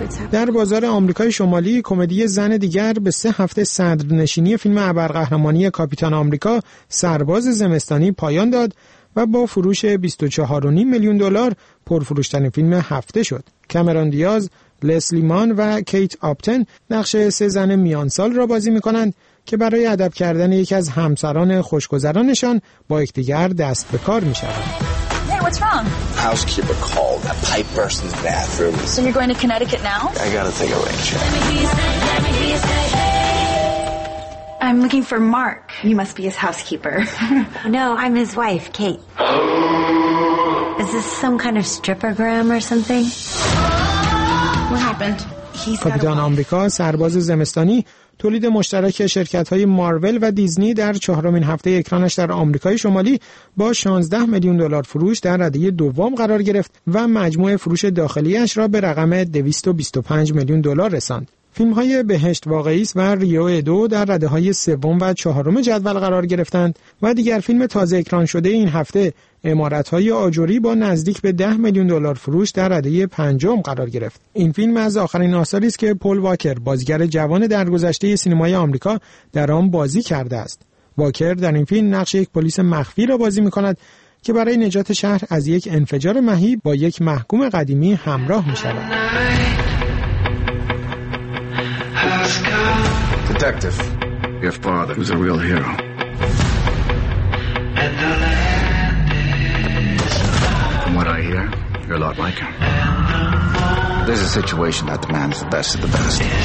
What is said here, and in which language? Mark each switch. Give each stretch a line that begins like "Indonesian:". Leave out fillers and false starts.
Persian: در بازار آمریکای شمالی کمدی زن دیگر به سه هفته صدرنشینی فیلم ابرقهرمانی کاپیتان آمریکا سرباز زمستانی پایان داد و با فروش 24.5 میلیون دلار پرفروشترین فیلم هفته شد. کامرون دیاز، لسلی مان و کیت آپتن نقش سه زن میانسال را بازی می‌کنند که برای ادب کردن یکی از همسران خوشگذرانشان با یکدیگر دست به کار می‌شوند.
English: What's wrong? Housekeeper called. A pipe burst in the bathroom. So you're going to Connecticut now? I gotta take a rain check. I'm looking for Mark. You must be his housekeeper. No, I'm his wife, Kate. Is this some kind of strippergram or something? What happened?
Persian: کاپیتان آمریکا سرباز زمستانی تولید مشترک شرکت‌های مارول و دیزنی در چهارمین هفته اکرانش در آمریکای شمالی با 16 میلیون دلار فروش در رده دوم قرار گرفت و مجموع فروش داخلیش را به رقم 225 میلیون دلار رساند. فیلم‌های بهشت واقعی است و ریو ادو در رده‌های سوم و چهارم جدول قرار گرفتند و دیگر فیلم تازه اکران شده این هفته عمارت‌های آجری با نزدیک به 10 میلیون دلار فروش در رده پنجم قرار گرفت. این فیلم از آخرین آثاری است که پل واکر، بازیگر جوان درگذشته سینمای آمریکا، در آن بازی کرده است. واکر در این فیلم نقش یک پلیس مخفی را بازی می‌کند که برای نجات شهر از یک انفجار مهیب با یک محکوم قدیمی همراه می‌شود.
English: Detective, your father was a real hero. From what I hear, you're a lot like him. There's a situation that demands the best of the best.